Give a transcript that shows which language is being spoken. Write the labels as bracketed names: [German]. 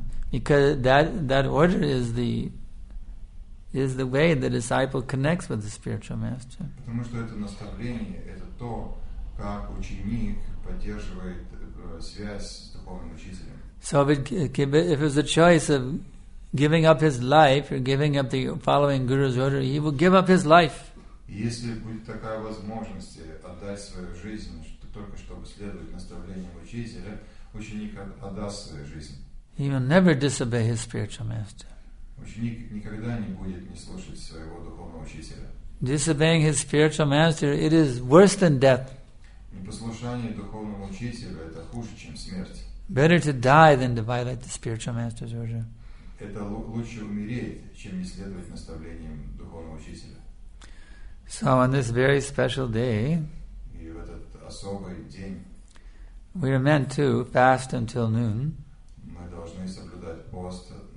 [English] Because that order is the way the disciple connects with the spiritual master. [Russian] Потому что это наставление, это то, как ученик поддерживает связь с духовным учителем. [English] So if it was a choice of giving up his life or giving up the following guru's order, he will give up his life. [Russian] Если будет такая возможность отдать свою жизнь, только чтобы следовать наставлениям учителя, ученик отдаст свою жизнь. [English] He will never disobey his spiritual master. [Russian] Ученик никогда не будет не слушать своего духовного учителя. [English] Disobeying his spiritual master, it is worse than death. [Russian] Непослушание духовного учителя это хуже, чем смерть. [English] Better to die than to violate the spiritual master's order. [Russian] Это лучше умереть, чем не следовать наставлениям духовного учителя. [English] So on this very special day, [Russian] и в этот особый день, [English] we are meant to fast until noon. [Russian] Мы должны соблюдать пост.